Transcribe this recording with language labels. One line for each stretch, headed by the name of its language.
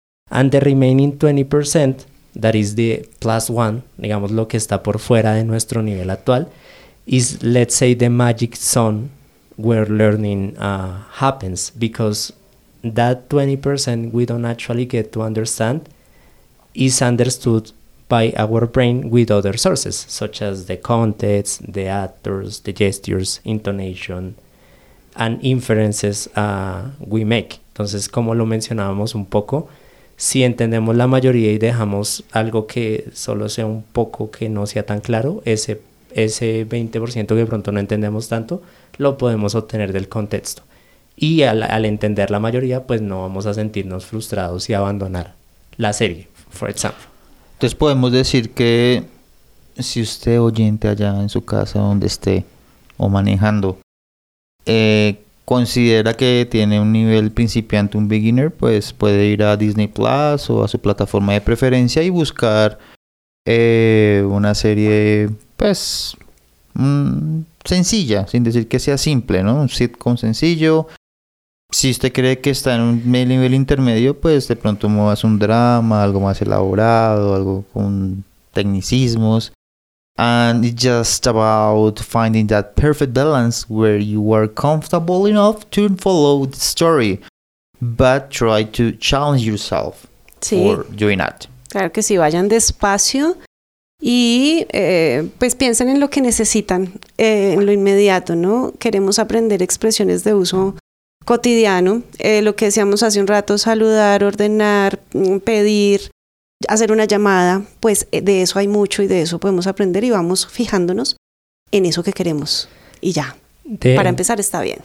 English: And the remaining 20%, that is the plus one,
Spanish: digamos lo que está por fuera de nuestro nivel actual,
English: is, let's say, the magic zone where learning happens, because that 20% we don't actually get to understand is understood by our brain with other sources, such as the context, the actors, the gestures, intonation, and inferences we make.
Spanish: Entonces, como lo mencionábamos un poco, si entendemos la mayoría y dejamos algo que solo sea un poco que no sea tan claro, ese 20% que pronto no entendemos tanto, lo podemos obtener del contexto. Y al entender la mayoría, pues no vamos a sentirnos frustrados y abandonar la serie,
English: for example.
Spanish: Entonces podemos decir que si usted oyente allá en su casa donde esté o manejando, considera que tiene un nivel principiante, un beginner, pues puede ir a Disney Plus o a su plataforma de preferencia y buscar una serie, pues, sencilla, sin decir que sea simple, ¿no? Un sitcom sencillo. Si usted cree que está en un nivel intermedio, pues de pronto muevas un drama, algo más elaborado, algo con tecnicismos.
English: And it's just about finding that perfect balance where you are comfortable enough to follow the story, but try to challenge yourself
Spanish: sí.
English: for doing that.
Spanish: Claro que sí, vayan despacio y pues piensen en lo que necesitan, en lo inmediato, ¿no? Queremos aprender expresiones de uso cotidiano, lo que decíamos hace un rato, saludar, ordenar, pedir, hacer una llamada, pues de eso hay mucho y de eso podemos aprender y vamos fijándonos en eso que queremos y ya, para empezar está bien.